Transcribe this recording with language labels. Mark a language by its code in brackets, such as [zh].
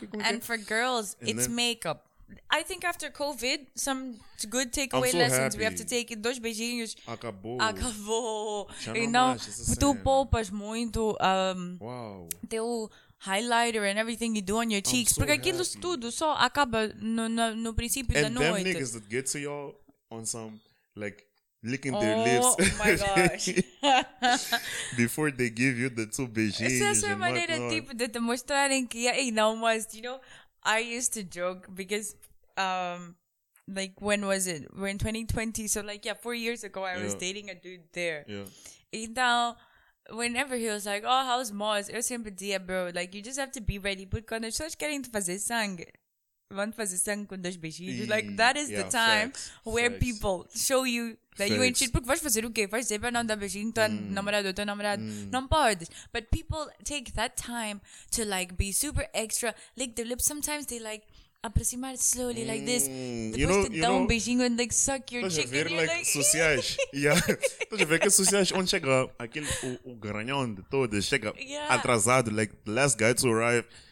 [en] And for girls, it's makeup. I think after COVID, some good takeaway lessons we have to take. [pt] Dois beijinhos. Acabou. E não, tu poupas muito teu [en] highlighter and everything you do on your cheeks. [pt] Porque aquilo tudo só acaba no princípio da noite. [en] And them niggas that get to y'all on some, like, licking their lips. Oh my gosh. Before they give you the two beijinhos. [pt] Essa é a maneira tipo de te mostrarem que é [en] almost, you know, I used to joke because, like, when was it? We're in 2020. So, like, 4 years ago, I was dating a dude there. Yeah. Então, whenever he was like, oh, how's Moz? [pt] Eu sempre dizia, [en] bro, like, you just have to be ready. [pt] Porque quando as pessoas querem te fazer sangue. Vão fazer sangue com dois beijinhos. [en] Like, that is the time where people show you that you ain't shit. [pt] Porque vais fazer o quê? Vais dizer para não dar beijinho, tu namorado, tu namorado. Não pode. [en] But people take that time to, like, be super extra. Lick their lips. Sometimes they, like, [pt] aproximar [en] slowly like this. [pt] Depois te dão um beijinho [en] and, like, suck your cheek. [pt] Estás a ver, like, sociais. Estás a ver que sociais, onde chega aquele, o granhão de todas, chega atrasado, [en] like, the last guy to arrive.